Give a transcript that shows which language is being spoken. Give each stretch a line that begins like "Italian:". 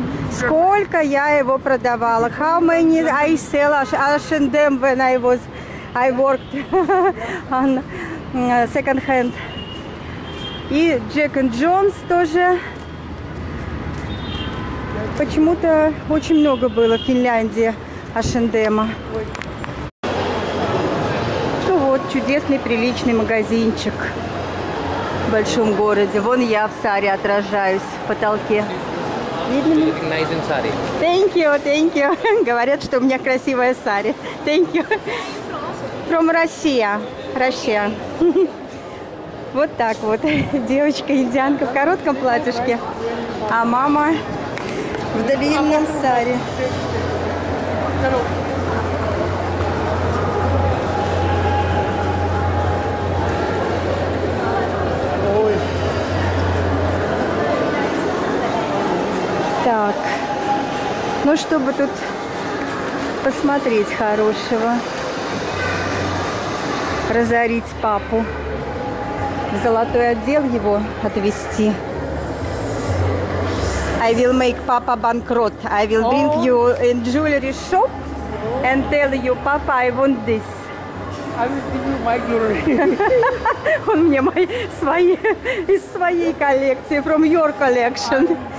Russian: Сколько я его продавала?
English: How many I sell H&M when I worked on second hand.
Russian: И Jack and Jones тоже. Почему-то очень много было в Финляндии H&M-а. Ну вот, чудесный, приличный магазинчик в большом городе. Вон я в саре отражаюсь в потолке. Видно?
English: You look nice in sari. Thank you, thank you.
Russian: Говорят, что у меня красивая сари.
English: Thank you. From Russia. Russia.
Russian: Вот так вот. Девочка-индианка в коротком платьишке. А мама... в длинном саре. Так. Ну, чтобы тут посмотреть хорошего. Разорить папу. В золотой отдел его отвезти.
English: I will make Papa bankrupt. I will bring you in jewelry shop and tell you, Papa, I want this. I will give you my jewelry.
Russian: Он мне мои свои из своей коллекции,
English: from your collection.